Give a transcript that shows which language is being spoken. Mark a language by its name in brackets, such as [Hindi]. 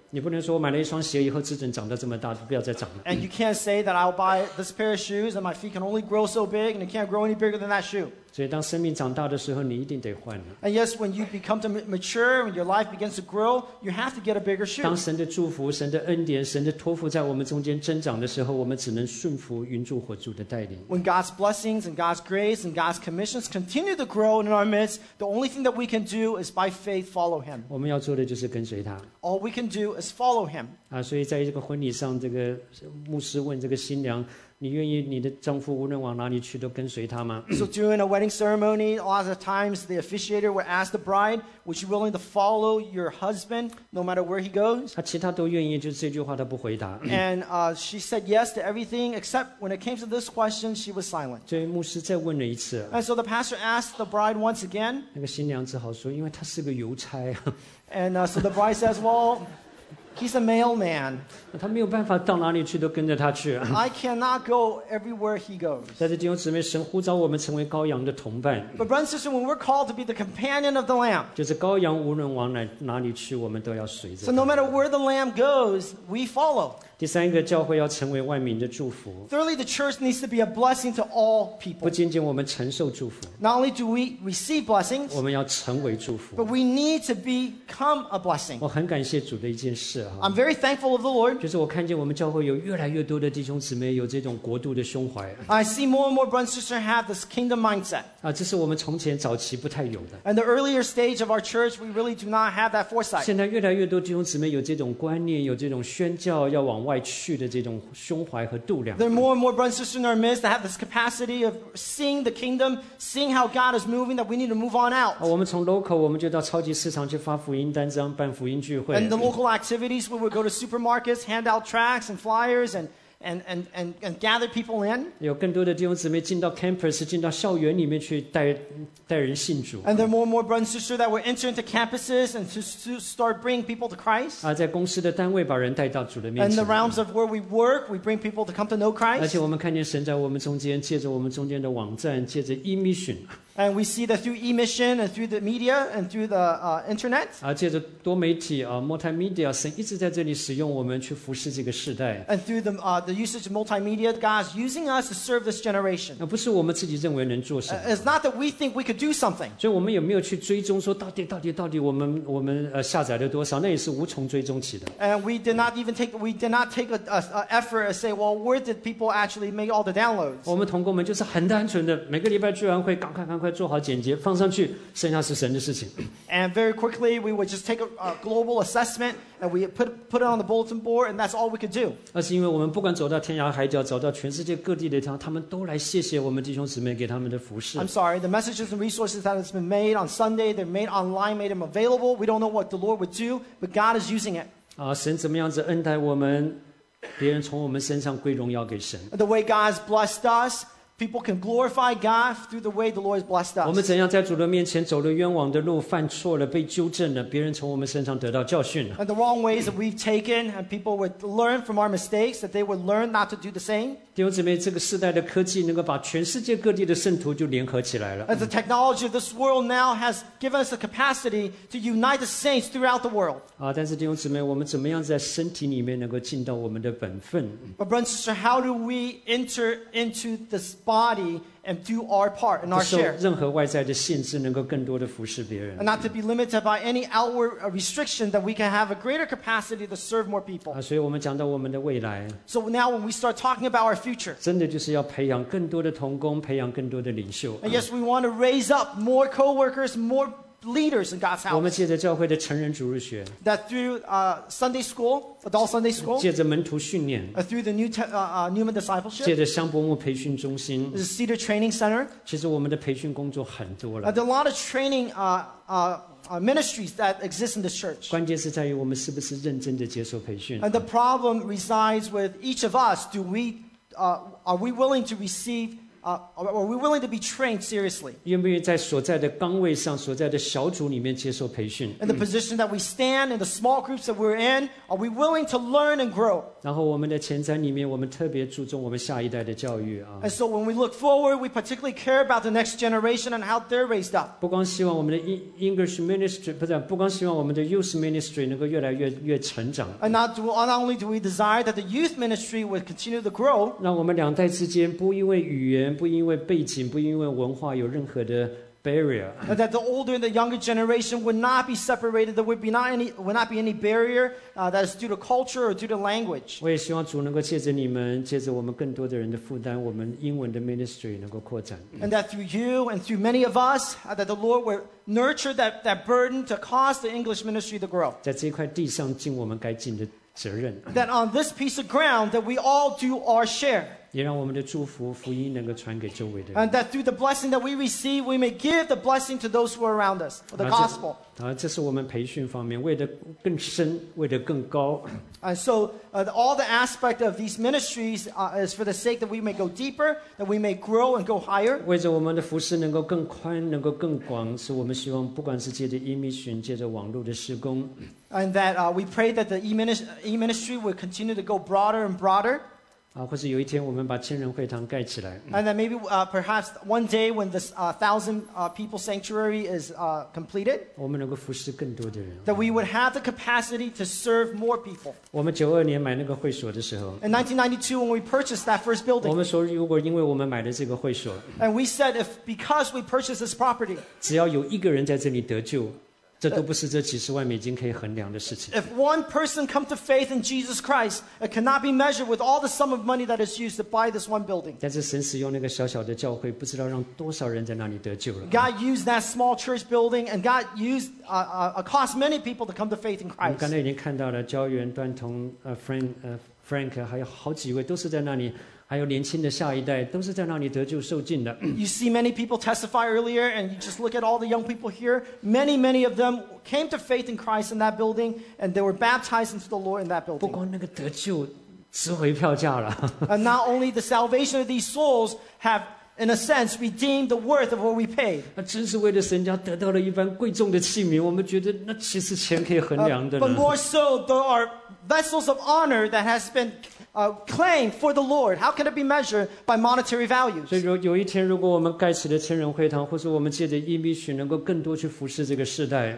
[Chinese] 你不能说我买了一双鞋以后自整长到这么大不要再长了 [English] And you can't say that I'll buy this pair of shoes and my feet can only grow so big and it can't grow any bigger than that shoe [Chinese] 所以当生命长大的时候，你一定得换。 [English] And yes, when you become to mature and your life begins to grow, you have to get a bigger shoe. [Chinese] 当神的祝福、神的恩典、神的托付在我们中间增长的时候，我们只能顺服云柱火柱的带领。 [English] When God's blessings and God's grace and God's commissions continue to grow in our midst, the only thing that we can do is by faith follow Him. [Chinese] 我们要做的就是跟随他。 [English] All we can do is follow Him. [Chinese] 所以在这个婚礼上，这个牧师问这个新娘。你愿意你的丈夫无论往哪里去都跟随他吗 [English] So during a wedding ceremony, a lot of times the officiator would ask the bride, "Would you be willing to follow your husband no matter where he goes?" [Chinese] 他其他都愿意，就这句话他不回答。 [English] And she said yes to everything except when it came to this question, she was silent. [Chinese] 所以牧师再问了一次。 [English] And so the pastor asked the bride once again. [Chinese] 那个新娘只好说，因为他是个邮差。 [English] And so the bride says, "Well." He's a mailman. [Chinese] 他没有办法到哪里去都跟着他去。 [English] I cannot go everywhere he goes. [Chinese] 但是弟兄姊妹，神呼召我们成为羔羊的同伴。 [English] But brothers and sisters, when we're called to be the companion of the lamb, [Chinese] 就是羔羊无论往哪里去，我们都要随着。 [English] So no matter where the lamb goes, we follow. [Chinese] 第三个，教会要成为万民的祝福。 [English] Thirdly, the church needs to be a blessing to all people. [Chinese] 不仅仅我们承受祝福。 [English] Not only do we receive blessings, [Chinese] 我们要成为祝福。 [English] But we need to become a blessing. [Chinese] 我很感谢主的一件事。 [English] I'm very thankful of the Lord. [Chinese] 就是我看见我们教会有越来越多的弟兄姊妹有这种国度的胸怀。 [English] I see more and more brothers and sisters have this kingdom mindset. [Chinese] 这是我们从前早期不太有的。 [English] And the earlier stage of our church, we really do not have that foresight. [Chinese] 现在越来越多弟兄姊妹有这种观念，有这种宣教要往外去的这种胸怀和度量。 [English] There are more and more brothers and sisters in our midst that have this capacity of seeing the kingdom, seeing how God is moving, that we need to move on out. [Chinese] 我们从 local 我们就到超级市场去发福音单张，办福音聚会。 [English] And the local activity. We would go to supermarkets, hand out tracts and flyers, and gather people in. [Chinese] 有更多的弟兄姊妹进到 campus, 进到校园里面去带人信主。 [English] And there are more and more brothers and sisters that were entering into campuses and to start bringing people to Christ. [Chinese] 在公司的单位把人带到主的面前。 [English] And the realms of where we work, we bring people to come to know Christ. [Chinese] 而且我们看见神在我们中间，借着我们中间的网站，借着 e-mission。 [English] And we see that through e-mission and through the media and through the internet. [Chinese] 借着多媒体multimedia, 神一直在这里使用我们去服侍这个世代。 [English] And through the usage of multimedia, God's using us to serve this generation. [Chinese] 不是我们自己认为能做什么。 [English] It's not that we think we could do something. [Chinese] 所以我们有没有去追踪说到底我们下载了多少？那也是无从追踪起的。 [English] And we did not take an effort to say, well, where did people actually make all the downloads? [Chinese] 我们同工们就是很单纯的，每个礼拜聚完会，赶快做好剪辑放上去，剩下是神的事情。 [English] And very quickly we would just take a global assessment and we put it on the bulletin board and that's all we could do. [Chinese] 那是因为我们不管走到天涯海角，走到全世界各地的地方，他们都来谢谢我们弟兄姊妹给他们的服事。 [English] I'm sorry, the messages and resources that has been made on Sunday, they're made online, made them available. We don't know what the Lord would do, but God is using it. [Chinese] 神怎么样子恩待我们，别人从我们身上归荣耀给神。 [English] The way God has blessed us,People can glorify God through the way the Lord has blessed us. [Chinese] 我们怎样在主的面前走了冤枉的路，犯错了，被纠正了，别人从我们身上得到教训。 [English] And the wrong ways that we've taken, and people would learn from our mistakes, that they would learn not to do the same. [Chinese] 弟兄姊妹，这个世代的科技能够把全世界各地的圣徒就联合起来了。 [English] And the technology of this world now has given us the capacity to unite the saints throughout the world. [Chinese] 但是弟兄姊妹，我们怎么样在身体里面能够尽到我们的本分？ [English] But brothers and sisters, how do we enter into this? Body and do our part and our share. [Chinese] 不受任何外在的限制，能够更多的服侍别人。 [English] And not to be limited by any outward restriction, that we can have a greater capacity to serve more people. [Chinese] 所以我们讲到我们的未来。 [English] So now when we start talking about our future, [Chinese] 真的就是要培养更多的同工，培养更多的领袖。 [English] And yes, we want to raise up more co-workers, more leaders in God's house. [Chinese] 我们借着教会的成人主日学。 [English] That through Sunday school. Adult Sunday school, [Chinese] 借着门徒训练， [English] through the Newman discipleship, [Chinese] 借着香柏木培训中心 [English] ，the Cedar Training Center. [Chinese] 其实我们的培训工作很多了。 [English] There are a lot of training ministries that exist in this church. [Chinese] 关键是在于我们是不是认真地接受培训。 [English] And the problem resides with each of us. Do we, are we willing to receive? Are we willing to be trained seriously? [Chinese] 愿不愿意在所在的岗位上，所在的小组里面接受培训？ [English] In the position that we stand, in the small groups that we're in, are we willing to learn and grow? [Chinese] 然后我们的前瞻里面，我们特别注重我们下一代的教育。 [English] And so when we look forward, we particularly care about the next generation and how they're raised up. [Chinese] 不光希望我们的 [English] English ministry, [Chinese] 不是，不光希望我们的 [English] youth ministry [Chinese] 能够越来越成长。 [English] And not only do we desire that the youth ministry would continue to grow. [Chinese] 让我们两代之间不因为语言不因为背景不因为文化有任何的barrier. [English] That the older and the younger generation would not be separated, there would not be any barrier that is due to culture or due to language. [Chinese] 我也希望主能够借着你们，借着我们更多的人的负担，我们英文的 ministry 能够扩展。 [English] And that through you and through many of us, that the Lord would nurture that burden to cause the English ministry to grow. [Chinese] 在这块地上尽我们该尽的责任。 [English] That on this piece of ground, that we all do our share. [Chinese] 也让我们的祝福福音能够传给周围的人。 [English] And that through the blessing that we receive, we may give the blessing to those who are around us for the gospel. [Chinese] 这是我们培训方面，为的更深，为的更高。 [English] And so, all the aspect of these ministries is for the sake that we may go deeper, that we may grow and go higher. [Chinese] 为着我们的服事能够更宽，能够更广，是我们希望，不管是借着 e-mission, 借着网络的施工。 [English] And that we pray that the e-ministry will continue to go broader and broader. [Chinese] 或是有一天我们把千人会堂盖起来。 [English] And then maybe perhaps one day when this thousand people sanctuary is completed, [Chinese] 我们能够服侍更多的人。 [English] That we would have the capacity to serve more people. [Chinese] 我们九二年买那个会所的时候。 [English] In 1992, when we purchased that first building, [Chinese] 我们说如果因为我们买了这个会所。 [English] And we said if because we purchased this property, [Chinese] 只要有一个人在这里得救。这都不是这几十万美金可以衡量的事情。 [English] If one person come to faith in Jesus Christ, it cannot be measured with all the sum of money that is used to buy this one building. [Chinese] 但是神使用那个小小的教会，不知道让多少人在那里得救了。 [English] God used that small church building, and God used cost many people to come to faith in Christ. [Chinese] 我们刚才已经看到了焦元、段彤、Frank， 还有好几位都是在那里。还有年轻的下一代都是在那里得救受尽的。 [English] You see many people testify earlier, and you just look at all the young people here. Many, many of them came to faith in Christ in that building, and they were baptized into the Lord in that building. [Chinese] 不光那个得救，值回票价了。 [English] And not only the salvation of these souls have, in a sense, redeemed the worth of what we paid. [Chinese] 那真是为了神家得到了一般贵重的器皿，我们觉得那岂是钱可以衡量的呢？ [English] But more so, there are vessels of honor that has been. Claim for the Lord. How can it be measured by monetary values? [Chinese] 所以有一天，如果我们盖起了千人会堂，或是我们借着 e-mission 能够更多去服侍这个世代。